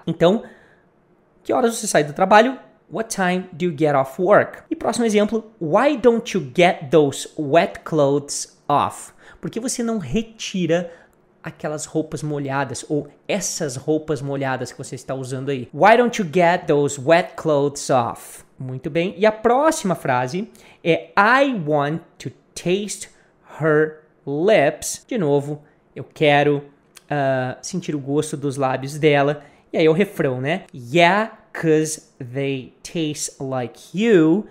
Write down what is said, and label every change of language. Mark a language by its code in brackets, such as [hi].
[pt] Então, que horas você sai do trabalho? [en] What time do you get off work? [pt] E próximo exemplo, [en] why don't you get those wet clothes off? [pt] Por que você não retira aquelas roupas molhadas ou essas roupas molhadas que você está usando aí? [en] Why don't you get those wet clothes off? [pt] Muito bem. E a próxima frase é [en] I want to taste her lips. [pt] De novo, eu quero sentir o gosto dos lábios dela. E aí o refrão, né? [en] Yeah, 'cause they taste like you.